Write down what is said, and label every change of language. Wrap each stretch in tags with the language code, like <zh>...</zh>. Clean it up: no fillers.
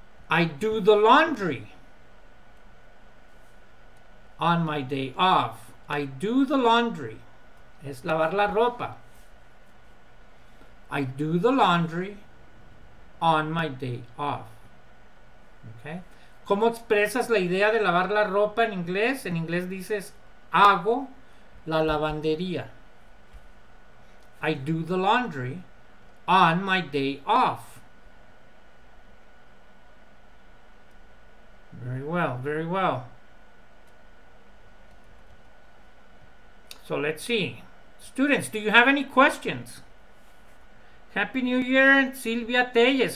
<en>I do the laundry on my day off. I do the laundry.</en> <es>Es lavar la ropa.</es> <en>I do the laundry on my day off. Okay.</en> <es>¿Cómo expresas la idea de lavar la ropa en inglés? En inglés dices, hago la lavandería.</es> <en>I do the laundry on my day off. Very well, very well. So let's see. Students, do you have any questions? Happy New Year, Silvia Telles.</en>